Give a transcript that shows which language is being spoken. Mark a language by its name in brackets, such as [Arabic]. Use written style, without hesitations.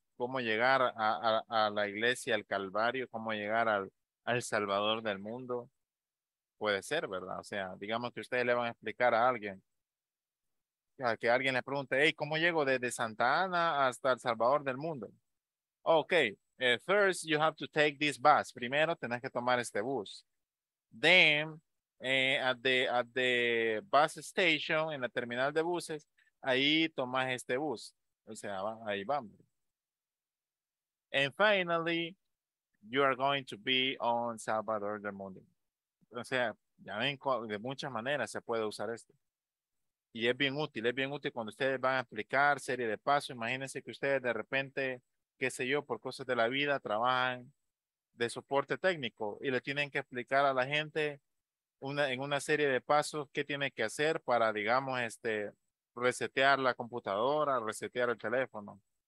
[Spanish] Cómo llegar a la iglesia, al Calvario, cómo llegar al Salvador del mundo. Puede ser, ¿verdad? O sea, digamos que ustedes le van a explicar a alguien. A que alguien le pregunte, hey, ¿cómo llego desde Santa Ana hasta el Salvador del mundo? [English] Ok, first you have to take this bus. [Spanish] Primero tenés que tomar este bus. [English] Then, at the bus station, [Spanish] en la terminal de buses, ahí tomas este bus. O sea, ahí vamos. [English] And finally, you are going to be on Salvador del Mundo. [Spanish] O sea, ya ven, de muchas maneras se puede usar esto. Y es bien útil cuando ustedes van a explicar serie de pasos. Imagínense que ustedes de repente, qué sé yo, por cosas de la vida, trabajan de soporte técnico y le tienen que explicar a la gente en una serie de pasos qué tiene que hacer para, digamos, resetear la computadora, resetear el teléfono.